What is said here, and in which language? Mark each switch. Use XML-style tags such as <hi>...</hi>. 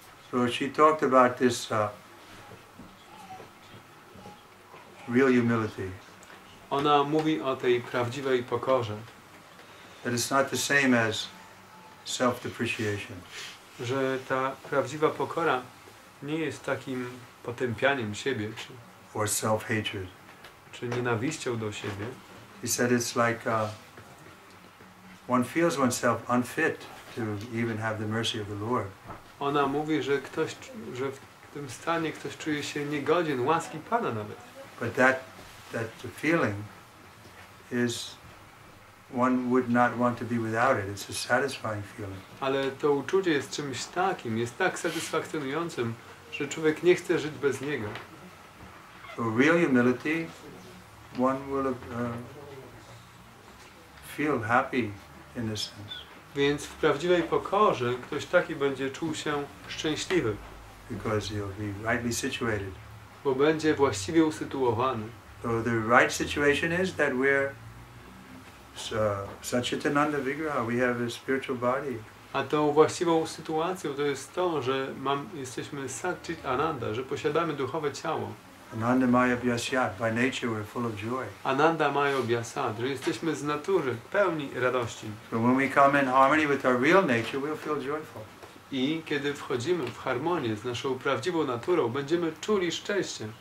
<en>So she talked about this real humility.</en> <pl>Ona mówi o tej prawdziwej pokorze.</pl> <en>That it's not the same as self-depreciation.</en> <pl>Że ta prawdziwa pokora nie jest takim potępianiem siebie czy</pl> <en>or self-hatred.</en> <pl>Czy nienawiścią do siebie.</pl> <en>He said it's like one feels oneself unfit to even have the mercy of the Lord.</en> <pl>Ona mówi, że w tym stanie ktoś czuje się niegodzien łaski Pana nawet.</pl> <en>But that the feeling is one would not want to be without it. It's a satisfying feeling.</en> <pl>Ale to uczucie jest czymś takim, jest tak satysfakcjonującym, że człowiek nie chce żyć bez niego.</pl> <en>So real humility, one will feel happy in a sense.</en> <pl>Więc w prawdziwej pokorze ktoś taki będzie czuł się szczęśliwy.</pl> <en>Because he'll be rightly situated.</en> <pl>Bo będzie właściwie usytuowany.</pl> <en>So the right situation is that we're Satchitananda Vigraha, we have a spiritual body.</en> <pl>A tą właściwą sytuacją to jest to, że jesteśmy Satchitananda, że posiadamy duchowe ciało.</pl> <sa>Ananda Maya Vyasyat,</sa> <en>by nature we're full of joy.</en> <sa>Ananda Maya Vyasyat,</sa> <pl>że jesteśmy z natury pełni radości.</pl> <en>So when we come in harmony with our real nature, we'll feel joyful.</en> <pl>I kiedy wchodzimy w harmonię z naszą prawdziwą naturą, będziemy czuli szczęście.</pl>